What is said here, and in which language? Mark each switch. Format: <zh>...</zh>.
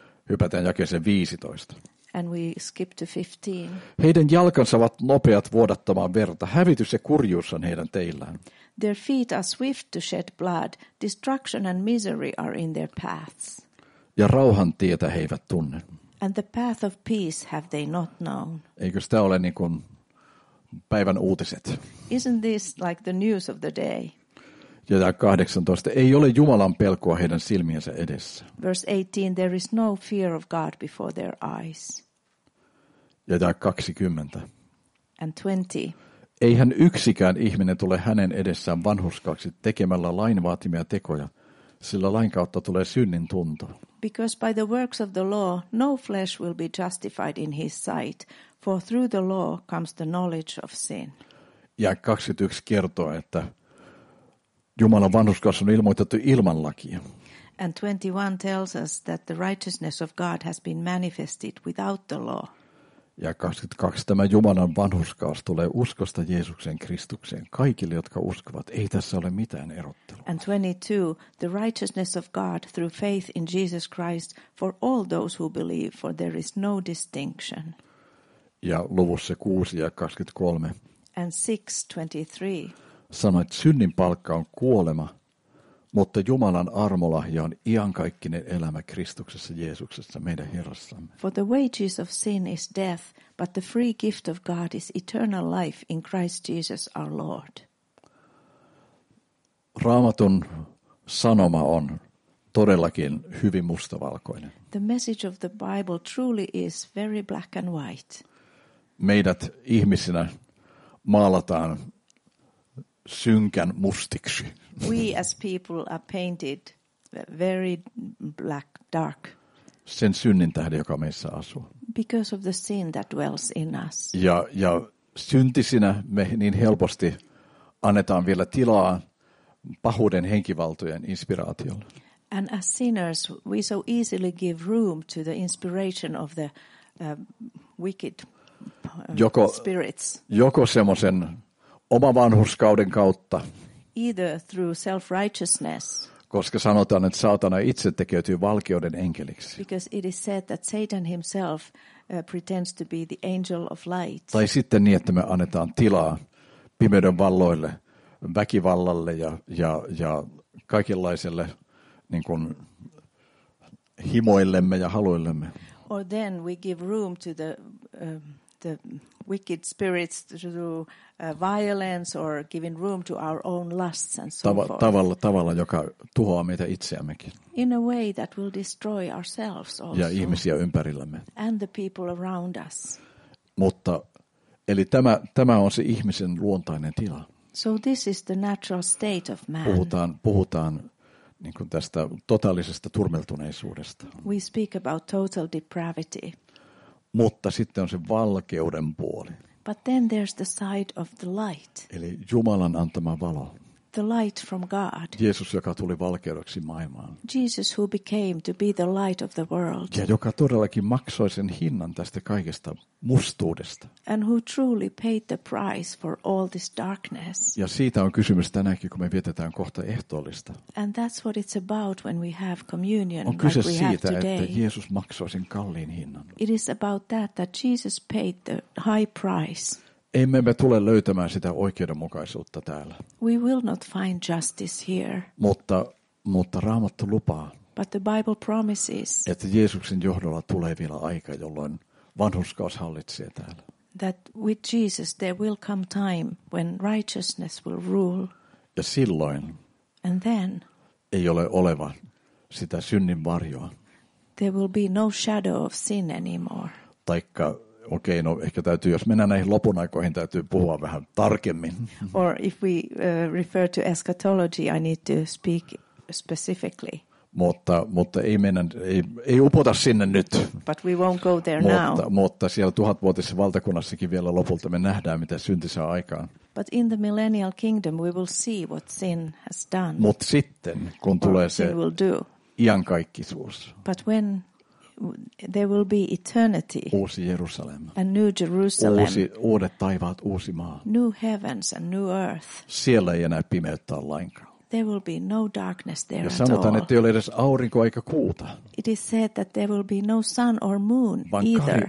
<fi>Hypätään jakeeseen 15.</fi> <en>And we skip to 15.</en> <fi>Heidän jalkansa ovat nopeat vuodattamaan verta. Hävitys ja kurjuus on heidän teillään.</fi> <en>Their feet are swift to shed blood. Destruction and misery are in their paths.</en> <fi>Ja rauhan tietä he eivät tunne.</fi> <en>And the path of peace have they not known.</en> <fi>Eikö sitä ole niin kuin päivän uutiset?</fi> <en>Isn't this like the news of the day?</en> <fi>ja 18, ei ole Jumalan pelkoa heidän silmiensä edessä.</fi> <en>Verse 18, there is no fear of God before their eyes.</en> <fi>Ja 20.</fi> <en>And 20.</en> <fi>Eihän yksikään ihminen tule hänen edessään vanhurskaaksi tekemällä lain vaatimia tekoja, sillä lain kautta tulee synnin tunto.</fi> <en>Because by the works of the law, no flesh will be justified in his sight, for through the law comes the knowledge of sin.</en> <fi>Ja 21 kertoo, että Jumalan vanhurskaus on ilmoitettu ilman lakia.</fi> <en>And 21 tells us that the righteousness of God has been manifested without the law.</en> <fi>Ja 22. Tämä Jumalan vanhurskaus tulee uskosta Jeesukseen Kristukseen. Kaikille, jotka uskovat, ei tässä ole mitään erottelua.</fi> <en>And 22. The righteousness of God through faith in Jesus Christ for all those who believe, for there is no distinction.</en> <fi>Ja luvussa 6 ja 23.</fi> <en>And 6:23.</en> <fi>Sanoit, että synnin palkka on kuolema, mutta Jumalan armolahja on iankaikkinen elämä Kristuksessa Jeesuksessa meidän Herrassamme.</fi> <en>For the wages of sin is death, but the free gift of God is eternal life in Christ Jesus our Lord.</en> <fi>Raamatun sanoma on todellakin hyvin mustavalkoinen.</fi> <en>The message of the Bible truly is very black and white.</en> <fi>Meidät ihmisinä maalataan synkän mustiksi.</fi> <en>We as people are painted very black, dark.</en> <fi>Sen synnin tähden, joka meissä asuu.</fi> <en>Because of the sin that dwells in us.</en> <fi>Ja syntisinä me niin helposti annetaan vielä tilaa pahuuden henkivaltojen inspiraatiolle.</fi> <en>And as sinners, we so easily give room to the inspiration of the wicked spirits.</en> <fi>Joko semmoisen oman vanhurskauden kautta.</fi> <en>Either through self-righteousness.</en> <fi>Koska sanotaan, että saatana itse tekeytyy valkeuden enkeliksi.</fi> <en>Because it is said that Satan himself pretends to be the angel of light.</en> <fi>Tai sitten niin, että me annetaan tilaa pimeyden valloille, väkivallalle ja kaikenlaiselle niin kuin himoillemme ja haluillemme.</fi> <en>Or then we give room to the the wicked spirits to do violence or giving room to our own lusts and so forth.</en> <fi>Tavalla, joka tuhoaa meitä itseämmekin.</fi> <en>In a way that will destroy ourselves also.</en> <fi>Ja ihmisiä ympärillämme.</fi> <en>And the people around us.</en> <fi>Mutta, eli tämä on se ihmisen luontainen tila.</fi> <en>So this is the natural state of man.</en> <fi>Puhutaan niin kuin tästä totaalisesta turmeltuneisuudesta.</fi> <en>We speak about total depravity.</en> <fi>Mutta sitten on se valkeuden puoli.</fi> <en>But then there's the side of the light.</en> <fi>Eli Jumalan antama valo.</fi> <en>The light from God.</en> <fi>Jeesus, joka tuli valkeudeksi maailmaan.</fi> <en>Jesus who became to be the light of the world.</en> <fi>Ja joka todellakin maksoi sen hinnan tästä kaikesta mustuudesta.</fi> <en>And who truly paid the price for all this darkness.</en> <fi>Ja siitä on kysymys tänäänkin, kun me vietetään kohta ehtoollista.</fi> <en>And that's what it's about when we have communion.</en> <fi>On kyse</fi> <en>like</en> <fi>siitä,</fi> <en>we have today.</en> <fi>Että Jeesus maksoi sen kalliin hinnan.</fi> <en>It is about that Jesus paid the high price.</en> <fi>Emme me tule löytämään sitä oikeudenmukaisuutta täällä.</fi> <en>We will not find justice here.</en> <fi>Mutta Raamattu lupaa.</fi> <en>But the Bible promises.</en> <fi>Että Jeesuksen johdolla tulee vielä aika, jolloin vanhurskaus hallitsee täällä.</fi> <en>That with Jesus there will come time when righteousness will rule.</en> <fi>Ja silloin.</fi> <en>And then.</en> <fi>Ei ole oleva sitä synnin varjoa.</fi> <en>There will be no shadow of sin anymore.</en> <fi>Taikka okei, no ehkä täytyy, jos mennään näihin lopun aikoihin, täytyy puhua vähän tarkemmin.</fi> <en>Or if we refer to eschatology, I need to speak specifically.</en> <fi>Mutta ei mennä, ei upota sinne nyt.</fi> <en>But we won't go there</en> <fi>mutta,</fi> <en>now.</en> <fi>Mutta siellä tuhatvuotisessa valtakunnassakin vielä lopulta me nähdään, mitä synti saa aikaan.</fi> <en>But in the millennial kingdom we will see what sin has done.</en> <fi>Mutta sitten, kun tulee se iankaikkisuus.</fi> <en>But when there will be eternity.</en> <fi>Uusi Jerusalem.</fi> <en>A new Jerusalem.</en> <fi>Uudet taivaat, uusi maa.</fi> <en>New heavens and new earth.</en> <fi>Siellä ei enää pimeyttä ole lainkaan.</fi> <en>There will be no darkness there at all.</en> <fi>Ja sanotaan, että ei ole edes aurinko eikä kuuta.</fi> <en>It is said that there will be no sun or moon either.</en>